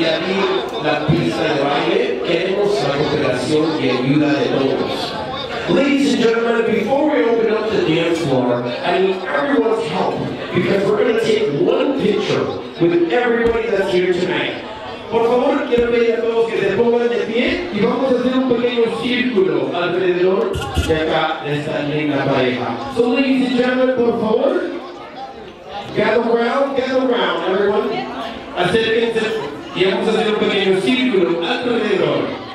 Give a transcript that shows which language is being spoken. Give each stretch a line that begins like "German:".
Spanish: y a mí la pista de baile, queremos la cooperación y ayuda de todos.
English: Ladies and gentlemen, before we open up the dance floor, I need everyone's help, because we're going to take one picture with everybody that's here tonight.
Spanish: Por favor, quiero pedir a todos que se pongan de pie y vamos a hacer un pequeño círculo alrededor de acá, de esta linda pareja.
English: So ladies and gentlemen,
Spanish: por favor,
English: gather around, everyone.
Spanish: Acérquense y vamos a hacer un pequeño círculo alrededor.